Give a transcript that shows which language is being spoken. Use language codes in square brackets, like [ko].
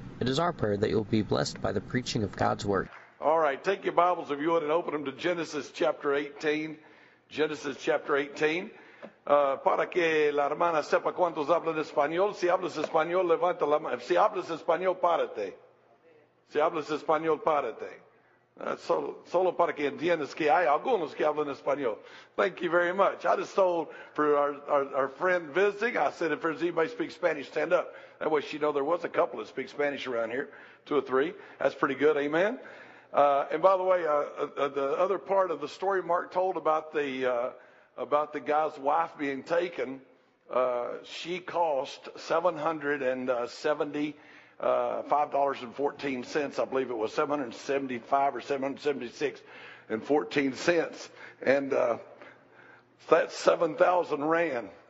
[en] It is our prayer that you'll be blessed by the preaching of God's Word. All right, take your Bibles if you would and open them to Genesis chapter 18. Genesis chapter 18. [es] Para que la hermana sepa cuántos hablan español. Si hablas español, levanta la mano. Si hablas español, párate. Si hablas español, párate. Solo para que entiendas que hay algunos que hablan español. [en] Thank you very much. I just told for our friend visiting, I said, if there's anybody who speaks Spanish, stand up. That way she know there was a couple that speak Spanish around here, two or three. That's pretty good, amen? And by the way, the other part of the story Mark told about the guy's wife being taken, she cost $775.14, I believe it was $775 or $776.14, and that's 7,000 rand.